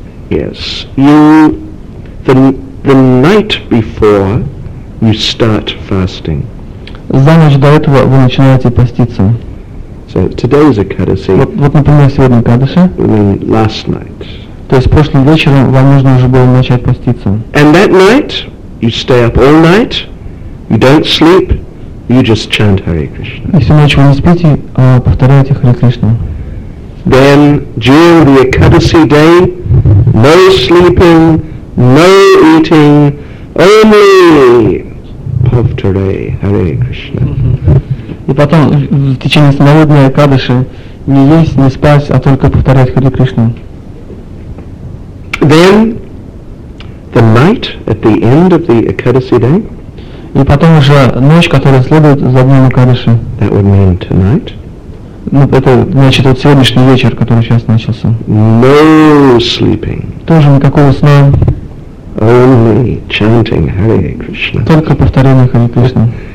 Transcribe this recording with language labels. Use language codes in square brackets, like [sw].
[en] yes, you the night before you start fasting. [ru] За ночь до этого вы начинаете поститься. [en] So today's Ekadasi. [ru] Вот, например, сегодня Ekadasi. [en] I mean, last night. [ru] То есть прошлым вечером вам нужно уже было начать поститься. [en] And that night, you stay up all night, you don't sleep, you just chant Hare Krishna. [ru] Если ночью не спите, повторяйте Hare Krishna. [en] Then during the Ekadasi day, no sleeping, no eating, only Pavtarei Hare Krishna. [ru] И потом в течение самого дня Экадаши не есть, не спать, а только повторять Hare Krishna. [en] Then the night at the end of the Ekadasi day. [ru] И потом уже ночь, которая следует за днем Ekadasi. [en] That would mean tonight. [ru] Ну, это значит вот сегодняшний вечер, который сейчас начался. [en] No sleeping. [ru] Тоже никакого сна. [en] Only chanting Hare Krishna. [ru] Только повторение Hare Krishna.